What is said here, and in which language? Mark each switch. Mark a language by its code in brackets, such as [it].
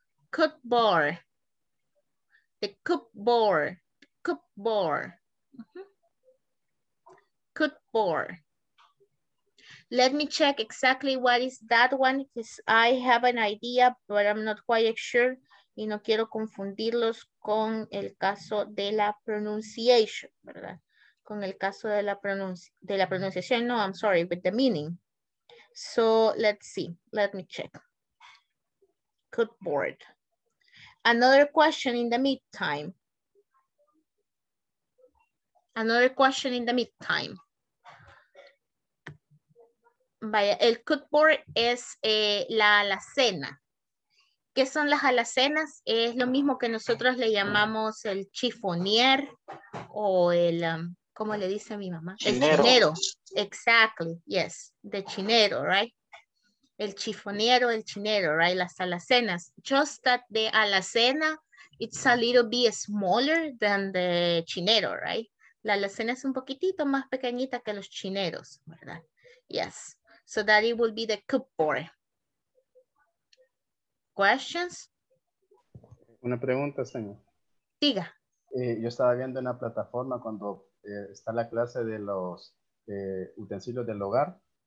[en] Cupboard. Let me check exactly what is that one, because I have an idea, but I'm not quite sure. [es] Y no quiero confundirlos con el caso de la pronunciation, ¿verdad? Con el caso de la pronunciación, no, [en] I'm sorry, with the meaning. So let's see, let me check. Good board. Another question in the meantime. Another question in the meantime. [es] Vaya, el cupboard es la alacena. ¿Qué son las alacenas? Es lo mismo que nosotros le llamamos el chifonier o el, ¿cómo le dice mi mamá? Chinero. [en] El chinero. Exactly, yes. The chinero, right? [es] El chifonero, el chinero, right? Las alacenas. [en] Just that the alacena, it's a little bit smaller than the chinero, right? [es] La alacena es un poquitito más pequeñita que los chineros, ¿verdad? [en] Yes. So that it will be the cupboard. Questions? [es] Una pregunta, señor. Diga. Yo estaba viendo en la plataforma cuando está la clase de los utensilios del hogar.